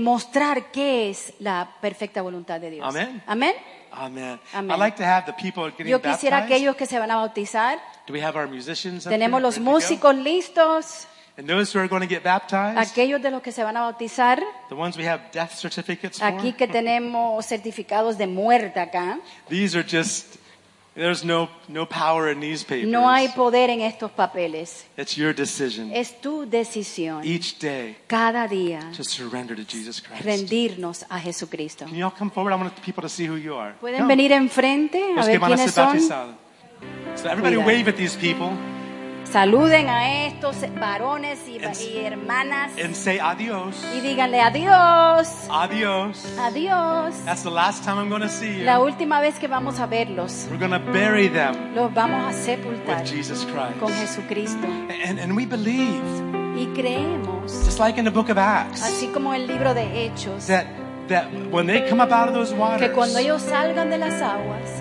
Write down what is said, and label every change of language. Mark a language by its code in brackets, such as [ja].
[es] Mostrar qué es la perfecta voluntad de Dios. Amen. Amen. Amen. [en] I'd like to have the people getting [es] yo quisiera [en] baptized. [es] Aquellos que se van a bautizar. [en] Do we have our musicians up [es] tenemos [en] here? [es] Los ready músicos listos. [en] And those who are going to get baptized, [es] aquellos de los que se van a bautizar, [en] the ones we have death certificates [es] aquí [en] for, [es] que tenemos certificados de muerte acá, [en] these are just There's no power in these papers. [es] No hay poder en estos papeles. [en] It's your decision. [es] Es tu decisión. [en] Each day. [es] Cada día. [en] To surrender to Jesus Christ. [es] Rendirnos a Jesucristo. [en] Can you all come forward? I want people to see who you are. [es] Pueden venir enfrente a ver quiénes son. [en] So everybody wave at these people. [es] Saluden a estos varones y hermanas. [en] And say adiós. [es] Y díganle adiós. Adiós. Adiós. [en] That's the last time I'm going to see you. [es] La última vez que vamos a verlos. [en] We're going to bury them. [es] Los vamos a sepultar. [en] With Jesus Christ. [es] Con Jesucristo. [en] And we believe. [es] Y creemos. [en] Just like in the book of Acts. [es] Así como el libro de Hechos. [en] That when they come up out of those waters, [es] que cuando ellos salgan de las aguas,